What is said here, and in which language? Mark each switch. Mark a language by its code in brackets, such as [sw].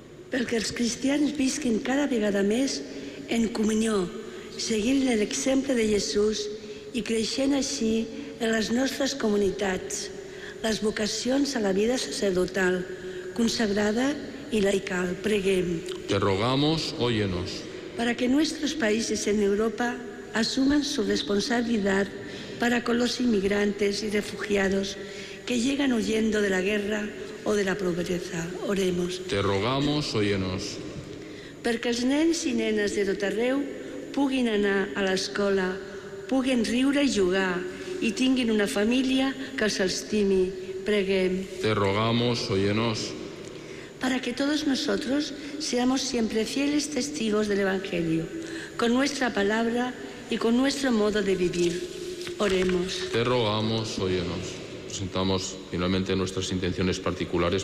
[es] Porque los cristianos [ca] visquen cada vegada mes en comunión, seguint el exemple de Jesús i creixent així en les nostres comunitats, les vocacions a la vida sacerdotal, consagrada i laical. Preguem. [es] Te rogamos, óyenos. Para que nuestros países en Europa asuman su responsabilidad para con los inmigrantes y refugiados que llegan huyendo de la guerra o de la pobreza. Oremos. Te rogamos, óyenos. [ca] Perquè els nens i nenes de tot arreu puguin anar a l'escola, puguin riure i jugar i tinguin una família que els estimi. Preguem. [es] Te rogamos, óyenos. Para que todos nosotros seamos siempre fieles testigos del Evangelio, con nuestra palabra y con nuestro modo de vivir. Oremos. Te rogamos, óyenos. Presentamos finalmente nuestras intenciones particulares.